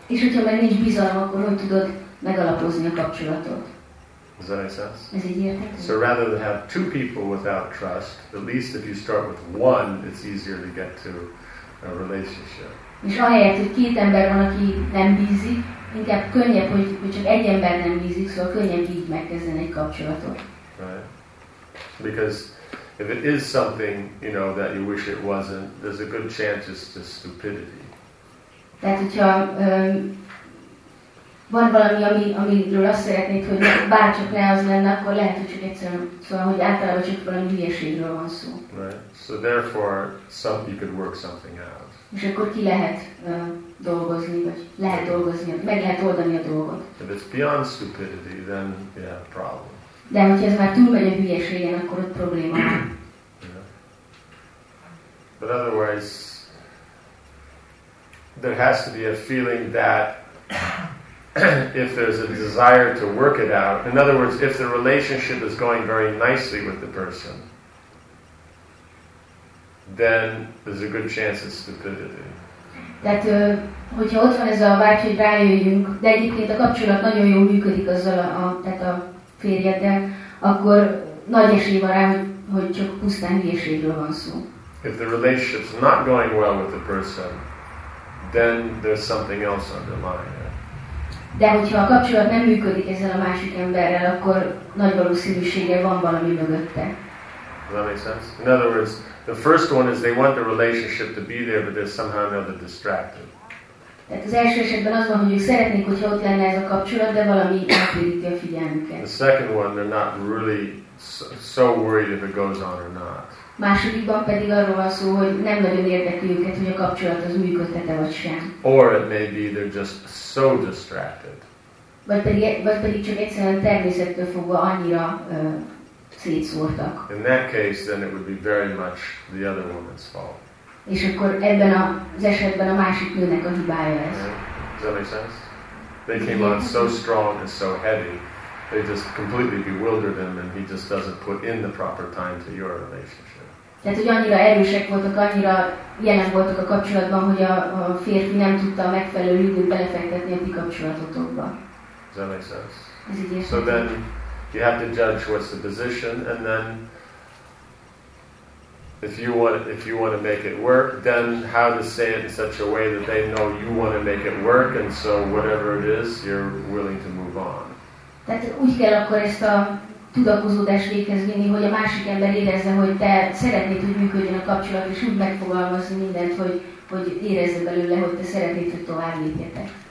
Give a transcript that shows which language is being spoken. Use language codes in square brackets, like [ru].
[hu] És hogyha meg nincs bizalom, akkor hogy tudod megalapozni a kapcsolatot? [en] Does that make sense? [hu] Ez így érthető? [en] So rather than have two people without trust, at least if you start with one, it's easier to get to a relationship. [hu] És ahelyett, hogy két ember van, aki nem bízik, inkább könnyebb, hogy csak egy ember nem bízik, szóval könnyebb így megkezdeni egy kapcsolatot. [en] Right. Because if it is something, you know, that you wish it wasn't, there's a good chance it's just stupidity. [hu] Tehát, hogyha van valami, amiről azt szeretnéd, hogy bárcsak ne az lenne, akkor lehet, hogy csak egyszerűen, szóval, hogy általában csak valami hülyeségről van szó. [en] Right. So therefore, you could work something out. [hu] És akkor ki lehet dolgozni, vagy lehet dolgozni, meg lehet oldani a dolgot. [en] If it's beyond stupidity, then you have a problem. [hu] De hogyha ez már túlmegy a hülyeségen, akkor ott probléma van. [en] Yeah. But otherwise, there has to be a feeling that if there's a desire to work it out, in other words, if the relationship is going very nicely with the person, then there's a good chance it's stupidity. [hu] Tehát, hogyha ott van ez a vágy, hogy rájöjjünk, de egyébként a kapcsolat nagyon jól működik azzal a férjeddel, akkor nagy esély van rá, hogy csak pusztán hülyeségről van szó. [en] If the relationship's not going well with the person, then there's something else underlying it. [hu] De hogyha a kapcsolat nem működik ezzel a másik emberrel, akkor nagy valószínűséggel van valami mögötte. [en] Does that make sense? In other words, the first one is they want the relationship to be there, but they're somehow or another distracted. [hu] Tehát az első esetben az van, hogy ők szeretnék, hogyha ott lenne ez a kapcsolat, de valami elkülöníti a figyelmüket. [en] The second one, they're not really so worried if it goes on or not. [hu] Másodikban pedig arról van szó, hogy nem nagyon érdekli őket, hogy a kapcsolat az működtet-e vagy sem. [en] Or it may be they're just so distracted. [hu] Vagy pedig csak egyszerűen természettől fogva annyira szétszórtak. [en] In that case, then it would be very much the other woman's fault. [hu] És akkor ebben az esetben a másik nőnek a hibája ez. [en] Does that make sense? They came on so strong and so heavy, they just completely bewildered him, and he just doesn't put in the proper time to your relationship. [hu] Tehát, hogy annyira erősek voltak, annyira jelen voltak a kapcsolatban, hogy a férfi nem tudta a megfelelő időt belefektetni a ti kapcsolatotokba. [en] Does that make sense? [hu] Ez így [en] so then you have to judge what's the position, and then if you want to make it work, then how to say it in such a way that they know you want to make it work, and so whatever it is, you're willing to move on. [hu] Tehát úgy kell akkor ezt a tudakozódást véghez vinni, hogy a másik ember érezze, hogy te szeretnéd, hogy működjön a kapcsolat, és úgy megfogalmazni mindent, hogy érezze belőle, hogy te szeretnéd, hogy tovább lépjetek.